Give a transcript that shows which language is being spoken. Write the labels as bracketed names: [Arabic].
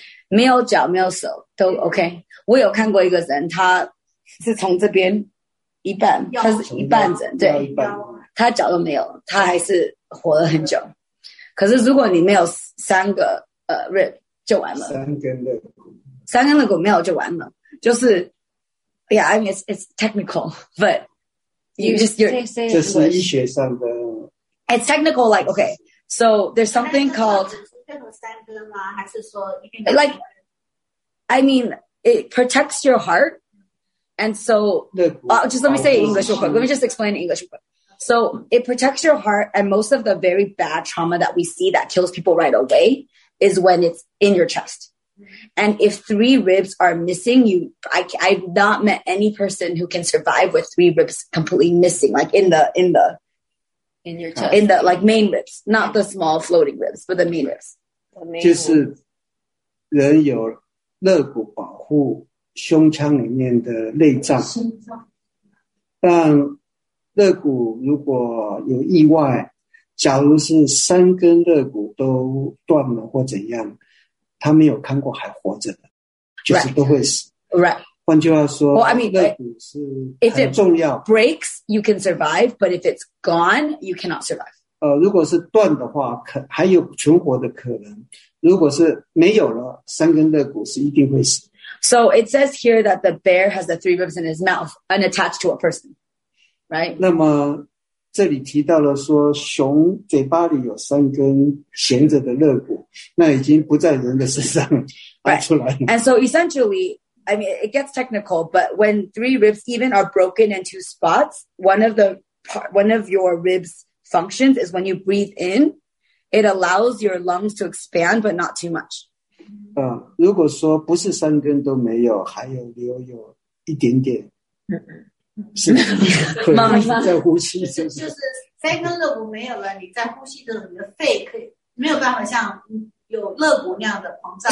[Chinese] 没有脚，没有手，都 okay. 我有看过一个人，他是从这边一半，他是一半人，对。他脚都没有，他还是活了很久。可是如果你没有三个rib 就完了，三根肋骨没有就完了，就是 [English] yeah I mean it's technical but you just you're [Chinese] 这是医学上的 [English] it's technical like okay so there's something called [Chinese] 变成三根吗？还是说一根 [English] like I mean it protects your heart and so just let me say English real quick, let me just explain English real quickSo it protects your heart, and most of the very bad trauma that we see that kills people right away is when it's in your chest. And if three ribs are missing, I've not met any person who can survive with three ribs completely missing, like in the in your chest, in the like main ribs, not the small floating ribs, but the main ribs. [Chinese] 就是人有肋骨保护胸腔里面的内脏，但肋骨如果有意外，假如是三根肋骨都断了或怎样，他没有看过还活着的，就是都会死。 [English] Right. [Chinese] 换句话说 [English] well, I mean, [Chinese] 肋骨是很重要。 [English] If it breaks, you can survive, but if it's gone, you cannot survive. [Chinese] 如果是断的话还有存活的可能，如果是没有了，三根肋骨是一定会死。 [English] So it says here that the bear has the three ribs in his mouth and attached to a person. Right. [Chinese] 那么这里提到了说熊嘴巴里有三根衔着的肋骨，那已经不在人的身上拔出来了。 [English] Right. And so essentially, I mean, it gets technical, but when three ribs even are broken in two spots, one of your ribs functions is when you breathe in, it allows your lungs to expand, but not too much. [Chinese] 如果说不是三根都没有，还有留有一点点，嗯是慢慢在呼吸，就是三根肋骨没有了，你在呼吸的时候，你的肺可以没有办法像有肋骨那样的膨胀。